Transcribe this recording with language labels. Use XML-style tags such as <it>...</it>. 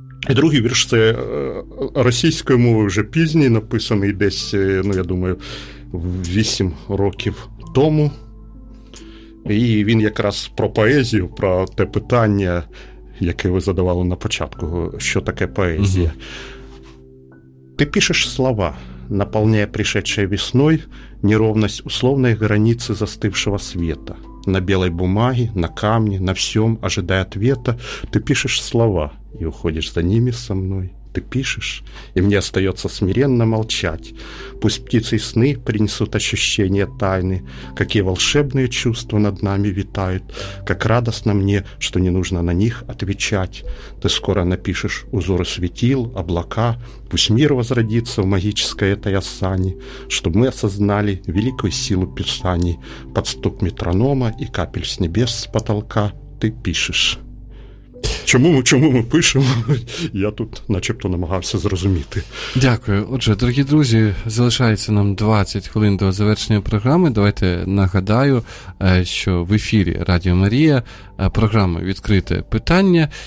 <uk>І другий вірш – це російською мовою вже пізній, написаний десь, ну, я думаю, 8 років тому. І він якраз про поезію, про те питання, яке ви задавали на початку, що таке поезія. Ти пишеш слова, наповняє</uk> <ru>пришедшей весной неровность условной границы застывшего света. На белой бумаге, на камне, на всем, ожидая ответа, ты пишешь слова и уходишь за ними со мной. Ты пишешь, и мне остается смиренно молчать. Пусть птицы и сны принесут ощущение тайны, какие волшебные чувства над нами витают, как радостно мне, что не нужно на них отвечать. Ты скоро напишешь узоры светил, облака, пусть мир возродится в магической этой осани, чтобы мы осознали великую силу писаний, под стук метронома и капель с небес с потолка. Ты пишешь.</ru> <uk>Чому ми пишемо? Я тут начебто намагався зрозуміти. Дякую. Отже, дорогі друзі, залишається нам 20 хвилин до завершення програми. Давайте нагадаю, що в ефірі Радіо Марія програма «Відкрите питання».</uk>